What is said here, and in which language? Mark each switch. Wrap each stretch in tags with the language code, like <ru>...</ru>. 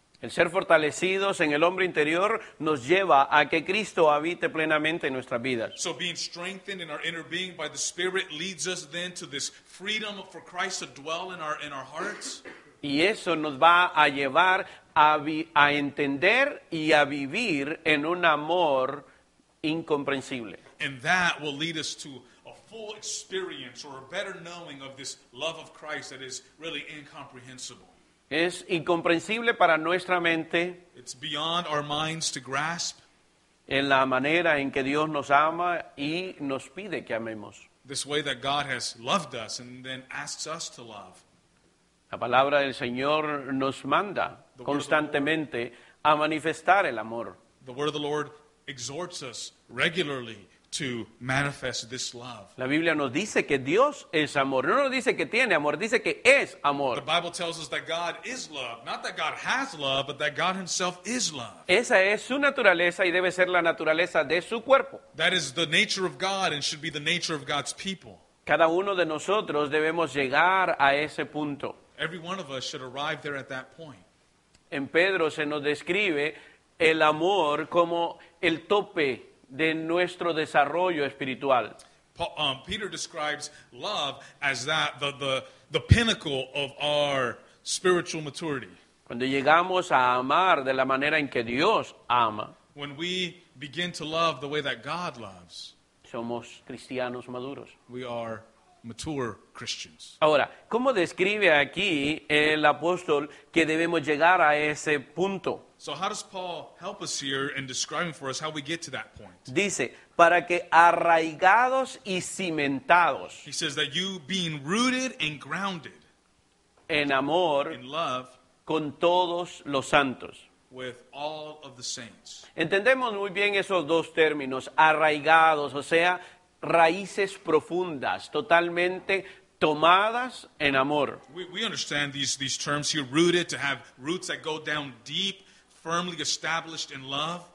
<es>El ser fortalecidos en el hombre interior nos lleva a que Cristo habite plenamente en nuestras vidas.</es> <en>So being strengthened in our inner being by the Spirit leads us then to this freedom for Christ to dwell in our hearts.</en> <es>Y eso nos va a llevar a entender y a vivir en un amor incomprensible.</es> <en>And that will lead us to a full experience or a better knowing of this love of Christ that is really incomprehensible.</en> <es>Es incomprensible para nuestra mente.</es> <en>It's beyond our minds to grasp.</en> <es>En la manera en que Dios nos ama y nos pide que amemos.</es> <en>This way that God has loved us and then asks us to love.</en> <es>La palabra del Señor nos manda constantemente a manifestar el amor.</es> <en>The word of the Lord exhorts us regularly to manifest this love.</en> <es>La Biblia nos dice que Dios es amor. No nos dice que tiene amor, dice que es amor.</es> <en>The Bible tells us that God is love. Not that God has love, but that God himself is love.</en> <es>Esa es su naturaleza y debe ser la naturaleza de su cuerpo.</es> <en>That is the nature of God and should be the nature of God's people.</en> <es>Cada uno de nosotros debemos llegar a ese punto.</es> <en>Every one of us should arrive there at that point.</en> <es>En Pedro se nos describe el amor como el tope de nuestro desarrollo espiritual.</es> <en>Peter describes love as that the pinnacle of our spiritual maturity.</en> <es>Cuando llegamos a amar de la manera en que Dios ama,</es> <en>when we begin to love the way that God loves,</en> <es>somos cristianos maduros.</es> <en>We are mature Christians.</en> <es>Ahora, ¿cómo describe aquí el apóstol que debemos llegar a ese punto?</es> <en>So how does Paul help us here in describing for us how we get to that point?</en> <es>Dice, para que arraigados y cimentados.</es> <en>He says that you being rooted and grounded</en> <es>en amor,</es> <en>in love,</en> <es>con todos los santos.</es> <en>With all of the saints.</en> <es>Entendemos muy bien esos dos términos, arraigados, o sea, raíces profundas, totalmente tomadas en amor.</es> <en>We understand these terms here, rooted, to have roots that go down deep, firmly established in love.</en>